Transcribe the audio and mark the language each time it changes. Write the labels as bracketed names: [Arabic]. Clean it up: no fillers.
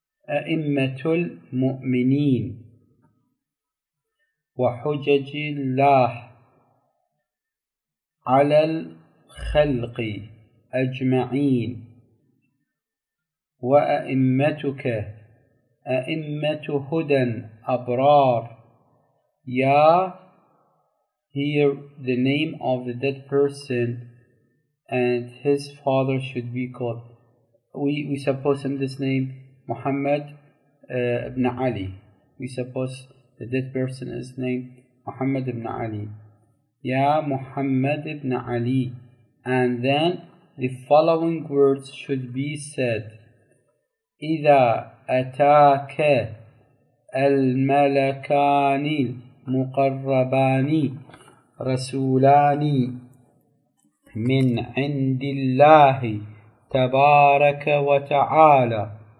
[Arabic] أئمة المؤمنين وحجج الله على الخلق أجمعين وأئمتك أئمة هدى أبرار. [English] يا Here the name of the dead person and his father should be called. We suppose him this name Muhammad ibn Ali. We suppose the dead person is named Muhammad ibn Ali. Ya Muhammad ibn Ali. And then the following words should be said. [Arabic] إذا أتاك الملكان المقربان رسولان من عند الله تبارك وتعالى